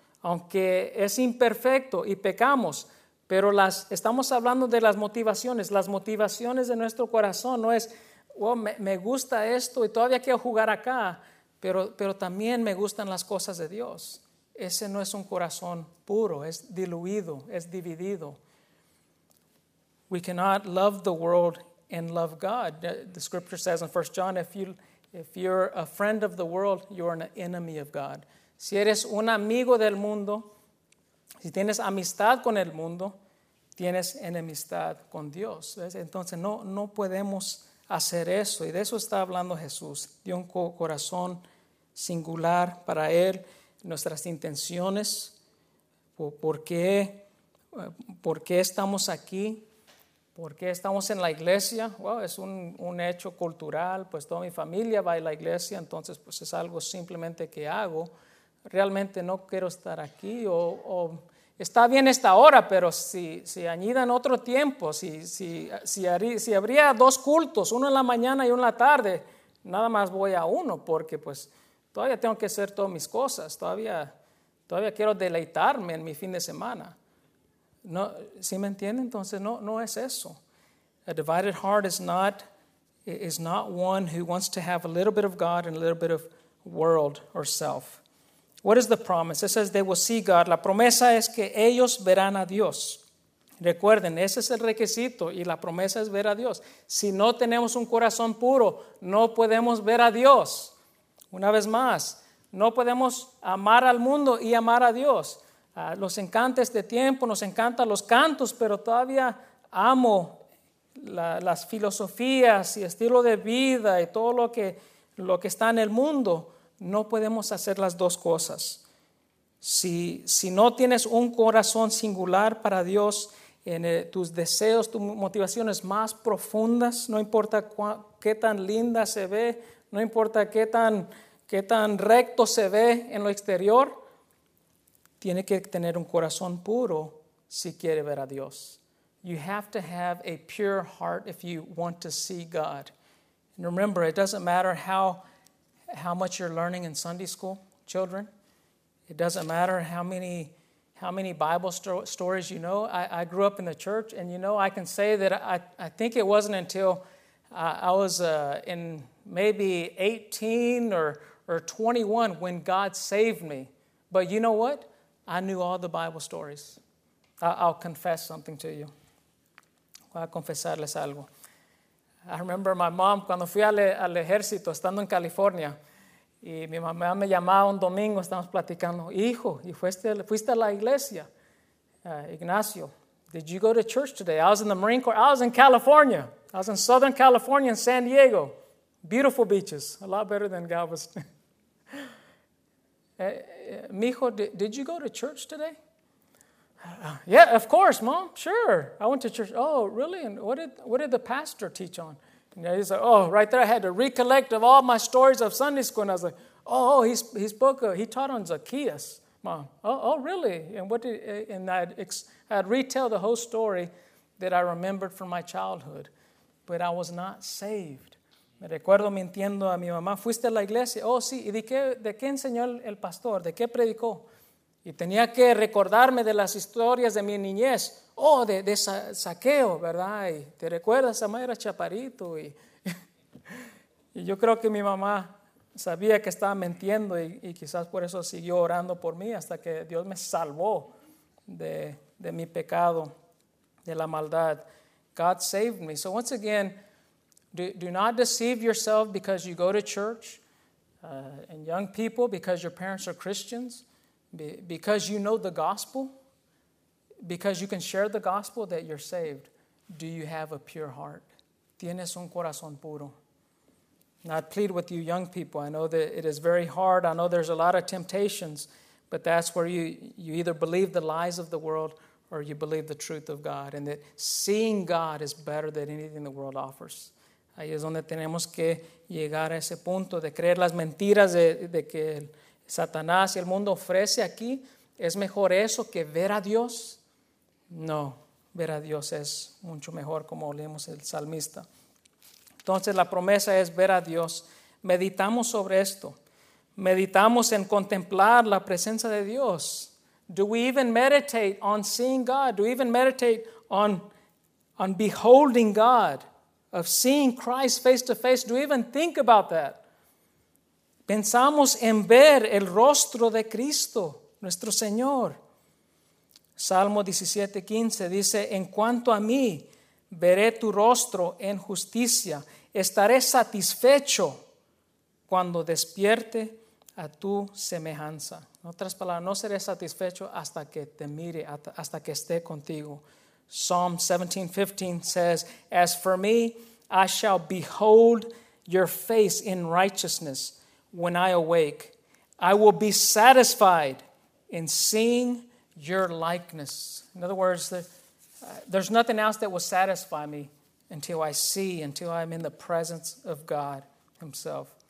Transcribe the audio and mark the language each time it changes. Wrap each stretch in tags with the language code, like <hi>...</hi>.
<es>Aunque es imperfecto y pecamos, pero estamos hablando de las motivaciones. Las motivaciones de nuestro corazón no es, well, me gusta esto y todavía quiero jugar acá, pero también me gustan las cosas de Dios. Ese no es un corazón puro, es diluido, es dividido.</es> <en>We cannot love the world and love God. The scripture says in 1 John, if you're a friend of the world, you're an enemy of God.</en> <es>Si eres un amigo del mundo, si tienes amistad con el mundo, tienes enemistad con Dios. ¿Ves? Entonces no podemos hacer eso. Y de eso está hablando Jesús, de un corazón singular para Él, nuestras intenciones, por qué estamos aquí. ¿Por qué estamos en la iglesia? Well, es un hecho cultural, pues toda mi familia va a la iglesia, entonces pues es algo simplemente que hago. Realmente no quiero estar aquí, o está bien esta hora, pero si añadan otro tiempo, si habría dos cultos, uno en la mañana y uno en la tarde, nada más voy a uno, porque pues todavía tengo que hacer todas mis cosas, todavía quiero deleitarme en mi fin de semana. No, ¿sí me entienden? Entonces no es eso.</es> <en>A divided heart is not one who wants to have a little bit of God and a little bit of world or self. What is the promise? It says they will see God.</en> <es>La promesa es que ellos verán a Dios. Recuerden, ese es el requisito y la promesa es ver a Dios. Si no tenemos un corazón puro, no podemos ver a Dios. Una vez más, No podemos amar al mundo y amar a Dios. Los encanta este tiempo, nos encantan los cantos, pero todavía amo las filosofías y estilo de vida y todo lo que está en el mundo. No podemos hacer las dos cosas. Si no tienes un corazón singular para Dios, en tus deseos, tus motivaciones más profundas, no importa qué tan linda se ve, no importa qué tan recto se ve en lo exterior, tiene que tener un corazón puro si quiere ver a Dios.</es> <en>You have to have a pure heart if you want to see God. And remember, it doesn't matter how much you're learning in Sunday school, children. It doesn't matter how many Bible stories you know. I grew up in the church, and you know, I can say that I think it wasn't until I was in maybe 18 or 21 when God saved me. But you know what? I knew all the Bible stories. I'll confess something to you.</en> <es>Voy a confesarles algo.</es> <en>I remember my mom,</en> <es>cuando fui al ejército, estando en California, y mi mamá me llamaba un domingo, estábamos platicando, hijo, ¿y fuiste a la iglesia?</es> <en>Ignacio, did you go to church today? I was in the Marine Corps. I was in California. I was in Southern California, in San Diego. Beautiful beaches. A lot better than Galveston. Mijo, did you go to church today? Yeah, of course, Mom. Sure. I went to church. Oh, really? And what did the pastor teach on? And he's like, oh, right there, I had to recollect of all my stories of Sunday school. And I was like, oh, he taught on Zacchaeus, Mom. Oh, really? And what did, and I'd retell the whole story that I remembered from my childhood, but I was not saved.</en> <es>Me recuerdo mintiendo a mi mamá, ¿fuiste a la iglesia? Oh, sí. ¿Y de qué enseñó el pastor? ¿De qué predicó? Y tenía que recordarme de las historias de mi niñez. Oh, de Zaqueo, ¿verdad? Y te recuerdas, mamá era chaparito. Y yo creo que mi mamá sabía que estaba mintiendo y quizás por eso siguió orando por mí hasta que Dios me salvó de mi pecado, de la maldad.</es> <en>God saved me. So once again, do not deceive yourself because you go to church, and young people, because your parents are Christians. Because you know the gospel, because you can share the gospel that you're saved, do you have a pure heart?</en> <es>¿Tienes un corazón puro?</es> <en>Now, I plead with you young people. I know that it is very hard. I know there's a lot of temptations, but that's where you either believe the lies of the world or you believe the truth of God, and that seeing God is better than anything the world offers.</en> <es>Ahí es donde tenemos que llegar a ese punto de creer las mentiras de que Satanás y el mundo ofrece aquí, ¿es mejor eso que ver a Dios? No, ver a Dios es mucho mejor, como leemos el salmista. Entonces la promesa es ver a Dios. Meditamos sobre esto. Meditamos en contemplar la presencia de Dios.</es> <en>Do we even meditate on seeing God? Do we even meditate on beholding God? Of seeing Christ face to face? Do we even think about that?</en> <es>Pensamos en ver el rostro de Cristo, nuestro Señor. Salmo 17:15 dice, en cuanto a mí, veré tu rostro en justicia. Estaré satisfecho cuando despierte a tu semejanza. En otras palabras, no seré satisfecho hasta que te mire, hasta que esté contigo.</es> <en>Psalm 17:15 says, as for me, I shall behold your face in righteousness. When I awake, I will be satisfied in seeing your likeness. In other words, there's nothing else that will satisfy me until I'm in the presence of God Himself.</en>